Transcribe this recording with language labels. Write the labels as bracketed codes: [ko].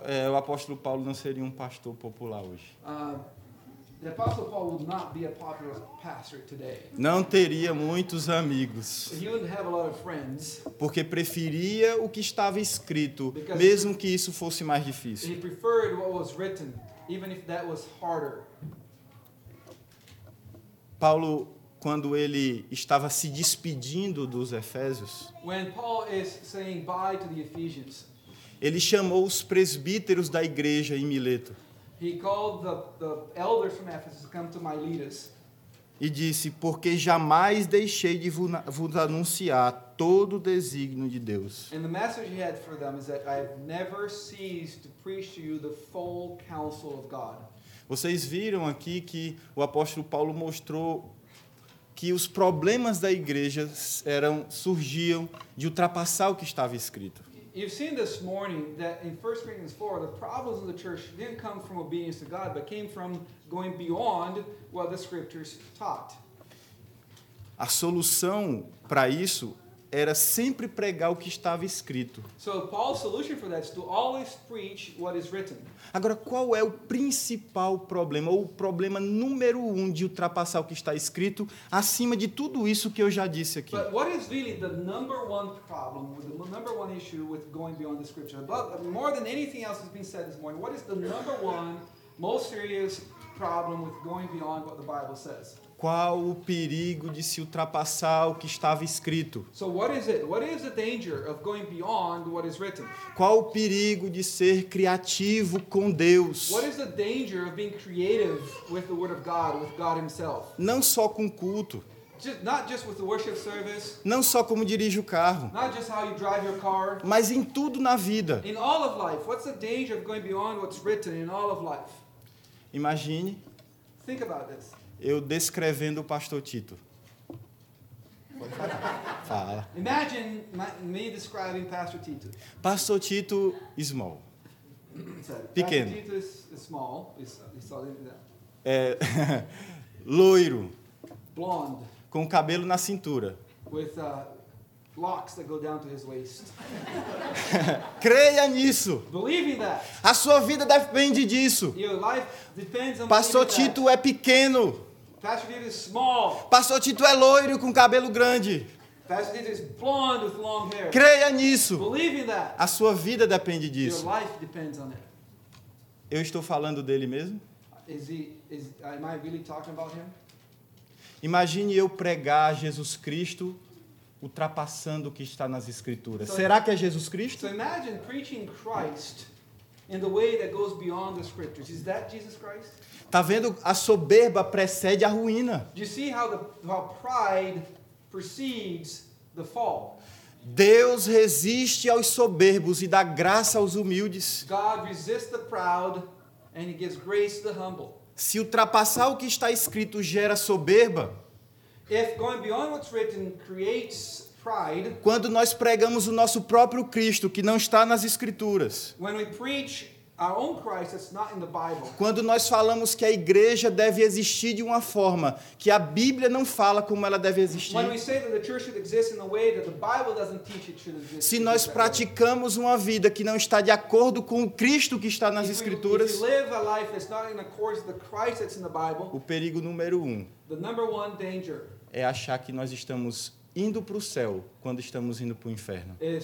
[pt] O apóstolo Paulo não seria um pastor popular hoje. [en] The apostle Paul would not be a popular pastor today. [pt] Não teria muitos amigos. [en] He wouldn't have a lot of friends. [pt] Porque preferia o que estava escrito, mesmo que isso fosse mais difícil. [en] He preferred what was written, even if that was harder. [pt] Paulo, quando ele estava se despedindo dos Efésios, [en] when Paul is saying bye to the Ephesians, [pt] ele chamou os presbíteros da igreja em Mileto. [en] He called the elders from Ephesus to come to Miletus. [pt] E disse, porque jamais deixei de vos anunciar todo o desígnio de Deus. [en] And the message he had for them is that I have never ceased to preach to you the full counsel of God. [pt] Vocês viram aqui que o apóstolo Paulo mostrou que os problemas da igreja surgiam de ultrapassar o que estava escrito. [en] You've seen this morning that in 1 Corinthians 4, the problems of the church didn't come from obedience to God, but came from going beyond what the scriptures taught. [pt] A solução para isso era sempre pregar o que estava escrito. [en] So Paul's solution for that is to always preach what is written. [pt] Agora, qual é o principal problema, ou o problema número um de ultrapassar o que está escrito, acima de tudo isso que eu já disse aqui? [en] But what is really the number one problem, the number one issue with going beyond the scripture? But more than anything else that's been said this morning, what is the number one most serious problem with going beyond what the Bible says? [pt] Qual o perigo de se ultrapassar o que estava escrito? [en] So what is it? What is the danger of going beyond what is written? [pt] Qual o perigo de ser criativo com Deus? [en] What is the danger of being creative with the word of God, with God himself? [pt] Não só com culto. [en] Just, not just with the worship service. [pt] Não só como dirige o carro. [en] Not just how you drive your car. [pt] Mas em tudo na vida. [en] In all of life, what's the danger of going beyond what's written in all of life? [pt] Imagine. [en] Think about this. [pt] Eu descrevendo o pastor Tito. Fala. [en] Imagine me describing Pastor Tito. Pastor Tito small. [pt] Pequeno. [en] Pastor Tito is small. [pt] É loiro. [en] Blonde. [pt] Com cabelo na cintura. [en] With locks that go down to his waist. [pt] Creia nisso. [en] Believe in that. [pt] A sua vida depende disso. [en] Your life depends on Pastor Tito that. [pt] É pequeno. [en] Pastor Tito is small. [pt] Pastor Tito é loiro com cabelo grande. [en] Pastor Tito is blonde with long hair. [pt] Creia nisso. [en] Believe in that. [pt] A sua vida depende disso. [en] Your life depends on it. [pt] Eu estou falando dele mesmo? [en] Am I really talking about him? [pt] Imagine eu pregar Jesus Cristo ultrapassando o que está nas Escrituras. Será que é Jesus Cristo? [en] So imagine preaching Christ in the way that goes beyond the Scriptures. Is that Jesus Christ? [pt] Tá vendo? A soberba precede a ruína. [en] Do you see how pride precedes the fall? [pt] Deus resiste aos soberbos e dá graça aos humildes. [en] God resists the proud and he gives grace to the humble. [pt] Se ultrapassar o que está escrito gera soberba, [en] if going beyond what's written creates pride, [pt] quando nós pregamos o nosso próprio Cristo, que não está nas Escrituras, [en] when we preach our own Christ, it's not in the Bible. [pt] Quando nós falamos que a igreja deve existir de uma forma que a Bíblia não fala como ela deve existir. [en] When we say that the church should exist in a way that the Bible doesn't teach it should exist. [pt] Se nós praticamos uma vida que não está de acordo com o Cristo que está nas Escrituras. [en] If we live a life that's not in accordance with the Christ that's in the Bible. [pt] O perigo número um. [en] The number one danger. [pt] É achar que nós estamos indo para o céu quando estamos indo para o inferno.